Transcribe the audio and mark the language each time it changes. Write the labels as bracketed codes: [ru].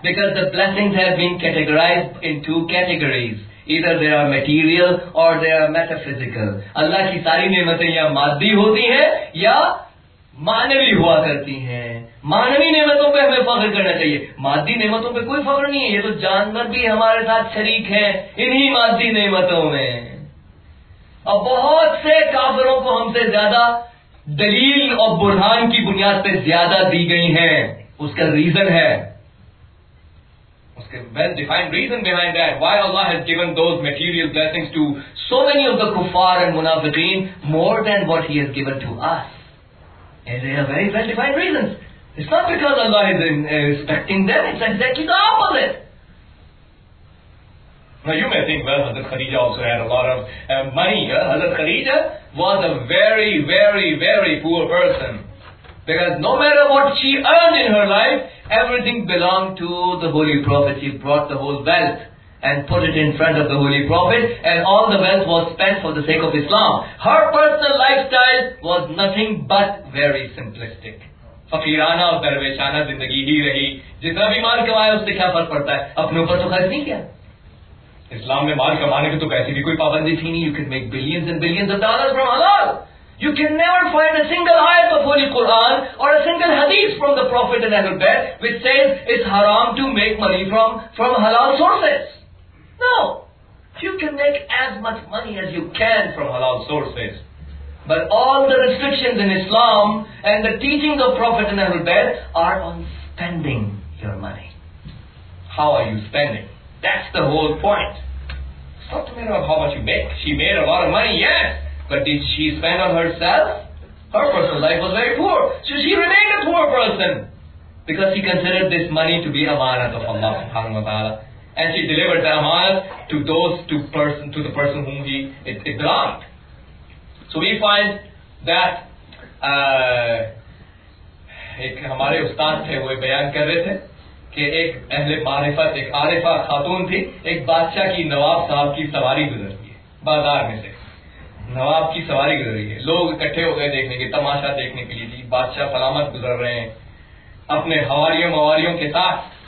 [en] because the blessings have been categorized in two categories, either they are material or they are metaphysical. [ur] اللہ کی ساری نعمتیں یا مادی ہوتی ہیں یا معنوی ہوا کرتی ہیں. مانوی نعمتوں پہ ہمیں فخر کرنا چاہیے, مادی نعمتوں پہ کوئی فخر نہیں ہے. یہ تو جانور بھی ہمارے ساتھ شریک ہیں انہی مادی نعمتوں میں. اور بہت سے کافروں کو ہم سے زیادہ دلیل اور برہان کی بنیاد پہ زیادہ دی گئی ہیں. اس کا ریزن ہے, [en] اس کے well defined reason behind that, why Allah has given those material blessings to so many of the کفار and منافقین more than what he has given to us. They have very well defined reasons. It's not because Allah is respecting them, it's exactly the opposite. Now you may think, well, Hazrat Khadija also had a lot of money. Hazrat Khadija was a very, very, very poor person. Because no matter what she earned in her life, everything belonged to the Holy Prophet. She brought the whole wealth and put it in front of the Holy Prophet, and all the wealth was spent for the sake of Islam. Her personal lifestyle was nothing but very simplistic. [ur] فقیرانہ اور درویشانہ زندگی ہی رہی. جتنا بیمار کمایا اس سے کیا فرق پڑتا ہے؟ اپنے اوپر تو خرچ نہیں کیا, اسلام میں مال کمانے کی تو کیسی بھی کوئی پابندی تھی نہیں. [en] You can make billions and billions of dollars from حلال. You can never find a single آیت of holy قرآن or a single حدیث from the prophet and اہل بیت which says it's حرام to make money from حلال sources. No you can make as much money as you can from حلال sources. But all the restrictions in Islam and the teachings of Prophet and Ahlul Bayt are on spending your money. How are you spending? That's the whole point. It's not a matter of how much you make. She made a lot of money, yes. But did she spend on herself? Her personal life was very poor. So she remained a poor person. Because she considered this money to be amanat of Allah subhanahu wa ta'ala. And she delivered that amanat to those two person, to the person whom it belonged. So we find that [ur] ایک ہمارے استاد تھے وہ بیان کر رہے تھے کہ ایک اہل معرفت ایک عارفہ خاتون تھی ایک بادشاہ کی نواب صاحب کی سواری گزر رہی ہے بازار میں سے نواب کی سواری گزر رہی ہے لوگ اکٹھے ہو گئے دیکھنے کے تماشا دیکھنے کے لیے بادشاہ سلامت گزر رہے ہیں اپنے حواریوں مواریوں کے ساتھ